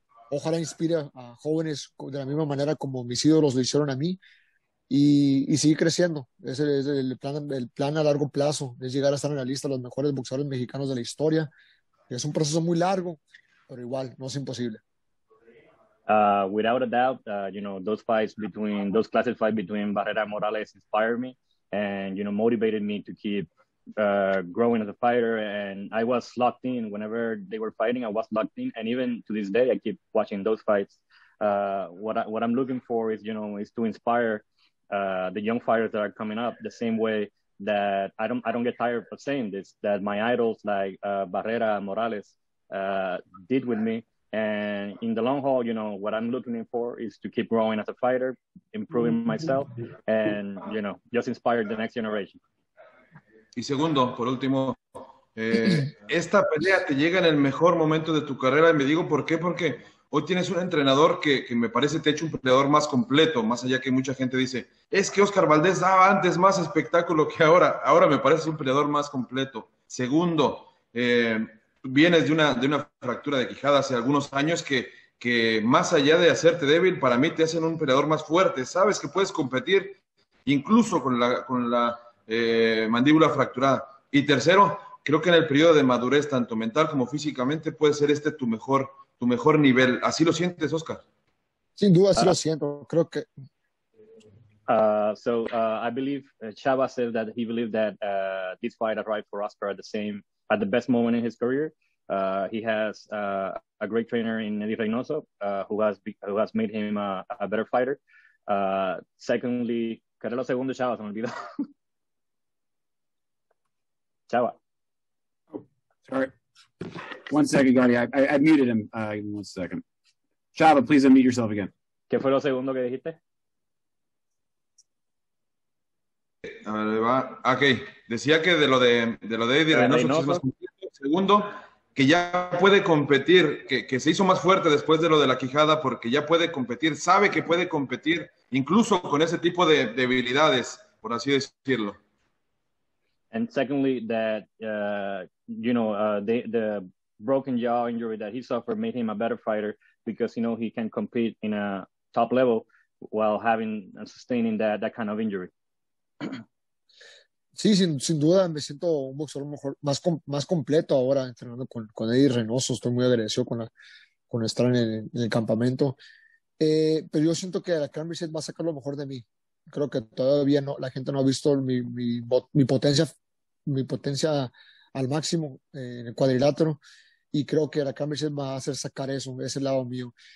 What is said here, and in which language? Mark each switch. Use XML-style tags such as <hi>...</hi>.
<es>Ojalá inspire a jóvenes de la misma manera como mis ídolos lo hicieron a mí y seguir creciendo. Ese es el plan a largo plazo, es llegar a estar en la lista de los mejores boxeadores mexicanos de la historia. Es un proceso muy largo, pero igual, no es imposible.</es> <en>Without a doubt, you know, those fights between, those classic fights between Barrera and Morales inspired me and, you know, motivated me to keep growing as a fighter, and I was locked in whenever they were fighting. I was locked in, and even to this day, I keep watching those fights. What I'm looking for is, you know, is to inspire the young fighters that are coming up. The same way that I don't get tired of saying this, that my idols like Barrera Morales did with me. And in the long haul, you know, what I'm looking for is to keep growing as a fighter, improving myself, and, you know, just inspire the next generation.</en> <es>Y segundo, por último, esta pelea te llega en el mejor momento de tu carrera. Y me digo, ¿por qué? Porque hoy tienes un entrenador que me parece te ha hecho un peleador más completo, más allá que mucha gente dice, es que Oscar Valdez daba antes más espectáculo que ahora. Ahora me parece un peleador más completo. Segundo, vienes de una fractura de quijada hace algunos años que más allá de hacerte débil, para mí te hacen un peleador más fuerte. Sabes que puedes competir incluso con la mandíbula fracturada. Y tercero, creo que en el periodo de madurez, tanto mental como físicamente, puede ser este tu mejor nivel. ¿Así lo sientes, Oscar? Sin duda, así lo siento. Creo que...</es> <en>I believe Chava said that he believed that this fight arrived for Oscar at the best moment in his career. He has a great trainer in Eddie Reynoso, who has made him a better fighter. Secondly,</en> <es>Carlos Segundo Chava, se me olvidó. Chava.</es> <en>Sorry. One second, Gary. I muted him. Give me one second. Chava, please unmute yourself again.</en> <es>¿Qué fue lo segundo que dijiste? Ok. Decía que de lo de Eddie Reynoso, Reynoso. Más segundo, que ya puede competir, que se hizo más fuerte después de lo de la quijada, porque ya puede competir, sabe que puede competir, incluso con ese tipo de debilidades, por así decirlo.</es> <en>And secondly, that you know, the broken jaw injury that he suffered made him a better fighter because, you know, he can compete in a top level while having and sustaining that kind of injury.</en> <es>Sí, sin duda me siento un boxeador mejor, más completo ahora entrenando con Eddie Reynoso. Estoy muy agradecido con estar en el campamento. Pero yo siento que la Cambridge va a sacar lo mejor de mí. creo que todavía no, la gente no ha visto mi potencia al máximo en el cuadrilátero, y creo que la Cambridge va a hacer sacar eso, ese lado mío.</es>